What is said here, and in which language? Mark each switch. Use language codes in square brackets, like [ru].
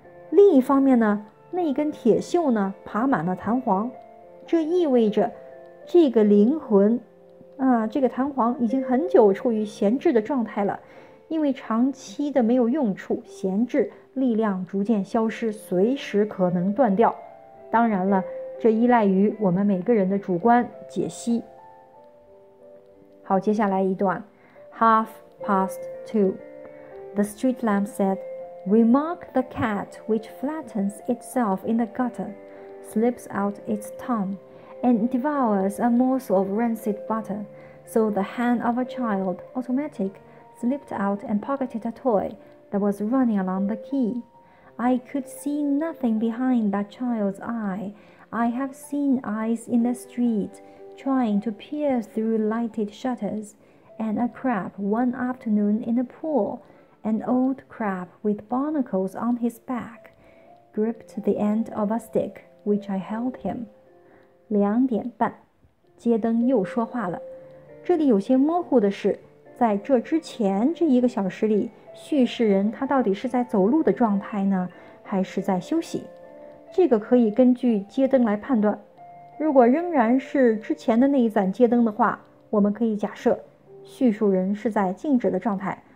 [zh] 另一方面呢，那一根铁锈呢，爬满了弹簧，这意味着这个灵魂，这个弹簧已经很久处于闲置的状态了，因为长期的没有用处，闲置，力量逐渐消失，随时可能断掉。当然了，这依赖于我们每个人的主观解析。好，接下来一段 [en] ，Half past two, the street lamp said, "Remark the cat which flattens itself in the gutter, slips out its tongue, and devours a morsel of rancid butter. So the hand of a child, automatic, slipped out and pocketed a toy that was running along the quay. I could see nothing behind that child's eye." I have seen eyes in the street trying to peer through lighted shutters, and a crab one afternoon in a pool, an old crab with barnacles on his back, gripped the end of a stick which I held him. [zh] 2:30，街灯又说话了。这里有些模糊的是，在这之前这一个小时里，叙事人他到底是在走路的状态呢，还是在休息？这个可以根据街灯来判断，如果仍然是之前的那一盏街灯的话，我们可以假设叙述人是在静止的状态。